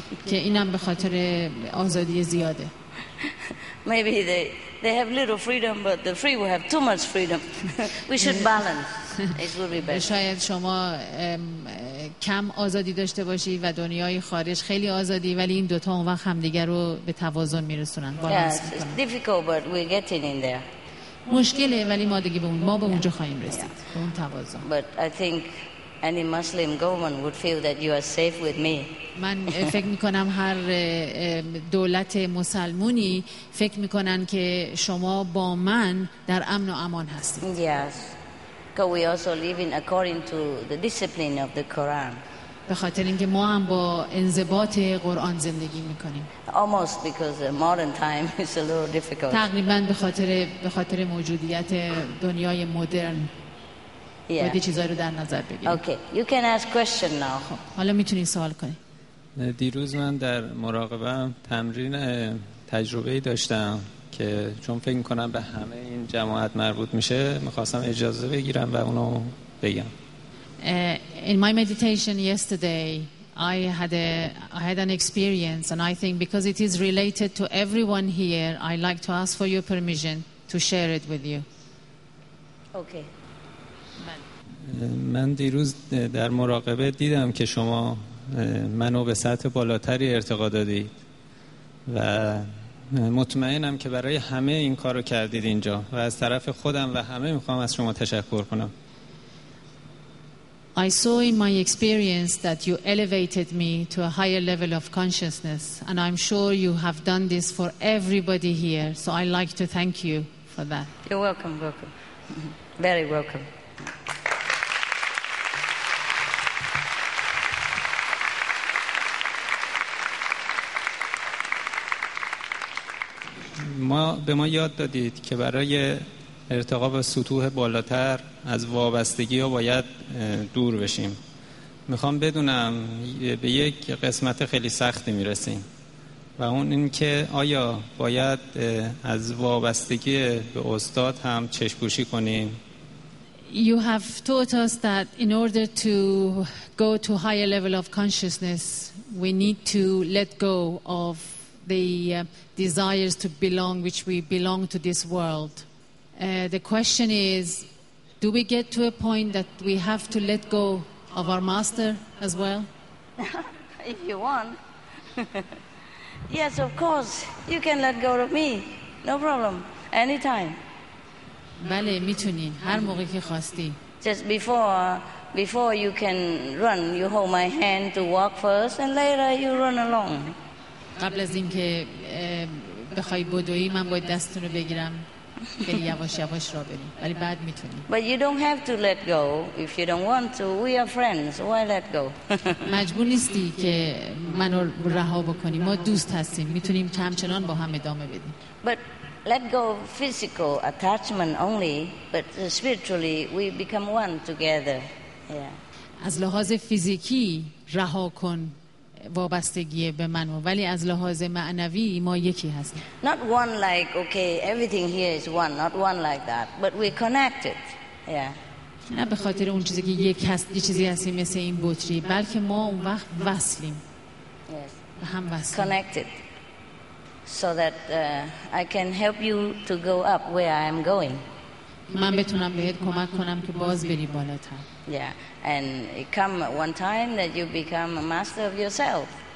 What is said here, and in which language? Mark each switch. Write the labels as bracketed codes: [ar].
[fa] که اینم به خاطر آزادی زیاده. [en] Maybe they have little freedom, but the free will have too much freedom. We should balance. It will be better. [fa] شاید شما کم آزادی داشته باشی و دنیای خارج خیلی آزادی، ولی این دوتا اون وقت همدیگر رو به توازن میرسونن. [en] Yes, it's difficult, but we're getting in there. [fa] مشکله، ولی ما دیگه به اونجا خواهیم رسید، به اون توازن. [en] But I think any Muslim government would feel that you are safe with me. [fa] من فکر میکنم هر دولت مسلمونی فکر میکنن که شما با من در امن و امان هستید. [en] Yes. Because we also live in according to the discipline of the Quran. [fa] به خاطر اینکه ما هم با انضباط قرآن زندگی میکنیم. [en] Almost because the modern time is a little difficult. [fa] تقریبا به خاطر موجودیت دنیای مدرن. [en] Yeah. Okay, you can ask question now. [fa] حالا میتونی سوال کنی. دیروز من در مراقبه تمرین تجربه‌ای داشتم که چون فکر می‌کنم به همه این جماعت مربوط میشه، می‌خواستم اجازه بگیرم و اونو بگم. [en] In my meditation yesterday, I had an experience and I think because it is related to everyone here, I like to ask for your permission to share it with you. Okay. [fa] من دیروز در مراقبه دیدم که شما منو به سطح بالاتری ارتقا دادید و مطمئنم که برای همه این کارو کردید اینجا و از طرف خودم و همه میخوام از شما تشکر کنم. [en] I saw in my experience that you elevated me to a higher level of consciousness and I'm sure you have done this for everybody here, so I'd like to thank you for that. You're welcome. Very welcome. [fa] ما به ما یاد دادید که برای ارتقا به سطوح بالاتر از وابستگی ها باید دور بشیم. میخوام بدونم به یک قسمت خیلی سختی میرسیم و اون این که آیا باید از وابستگی به استاد هم چشم‌پوشی کنیم؟ [en] You have taught us that in order to go to higher level of consciousness we need to let go of the desires to belong, which we belong to this world. The question is, do we get to a point that we have to let go of our master as well? If you want. Yes, of course, you can let go of me. No problem, anytime. [fa] بله میتونی هر موقعی که خواستی. [en] Just before you can run, you hold my hand to walk first and later you run along. [fa] قبل از اینکه بخوای بدوی من باید دست رو بگیرم بری یواش یواش را بریم، ولی بعد میتونی. [en] But you don't have to let go if you don't want to. We are friends. Why let go? [fa] مجبور نیستی که منو رها بکنی. ما دوست هستیم. میتونیم همچنان با هم ادامه بدیم. [en] But let go physical attachment only, but spiritually we become one together. Yeah. [fa] از لحاظ فیزیکی رها کن وابستگی به من، ولی از لحاظ معنوی ما یکی هستیم. [en] Not one like okay everything here is one, not one like that, but we're connected. Yeah. [fa] نه به خاطر اون چیزی که یک هست، یه چیزی هستیم مثل این بطری، بلکه ما اون وقت وصلیم. [en] Yes. [fa] به هم وصلیم. [en] Connected. So that I can help you to go up where I am going. [fa] من بتونم بهت کمک کنم که باز بری بالاتر. [en] Yeah. And it come one time that you become a master of yourself.